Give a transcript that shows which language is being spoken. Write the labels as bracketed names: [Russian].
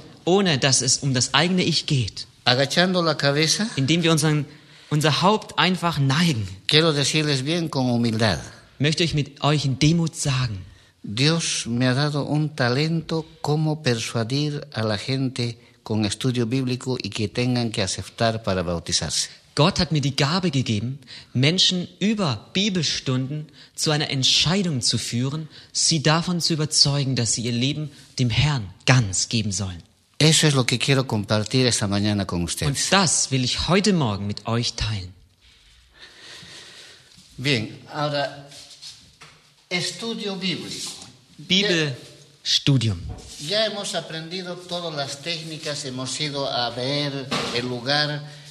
[German] Ohne dass es um das eigene Ich geht. [Spanish] Agachando la cabeza, [German] indem wir unser Haupt einfach neigen, [Spanish] quiero decirles bien con humildad, [German] möchte ich mit euch in Demut sagen, [Spanish] Dios me ha dado un talento como persuadir a la gente con estudio bíblico y que tengan que aceptar para bautizarse. [German] Gott hat mir die Gabe gegeben, Menschen über Bibelstunden zu einer Entscheidung zu führen, sie davon zu überzeugen, dass sie ihr Leben dem Herrn ganz geben sollen. [Spanish] Eso es lo que quiero compartir esta mañana con ustedes. [German] Und das will ich heute Morgen mit euch teilen. [Spanish] Bien, ahora, estudio bíblico. [German] Bibelstudium. [Spanish] Ya hemos aprendido todas las técnicas, hemos ido a ver el lugar.